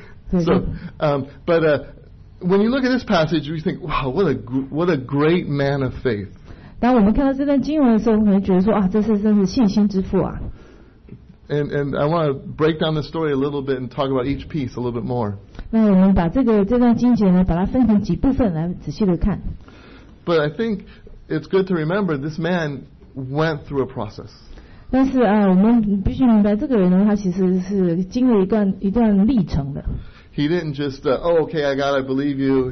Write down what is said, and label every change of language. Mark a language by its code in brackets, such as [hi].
[en] So, but when you look at this passage, you think, wow, what a great man of faith. [zh] 当我们看到这段经文的时候，我们会觉得说啊，这是真是信心之父啊。 [en] And I want to break down the story a little bit and talk about each piece a little bit more. [zh] 那我们把这段经节呢，把它分成几部分来仔细的看。 [en] But I think it's good to remember this man went through a process. [zh] 但是啊，我们必须明白这个人呢，他其实是经历一段历程的。 [en] He didn't just okay, I got it, I believe you.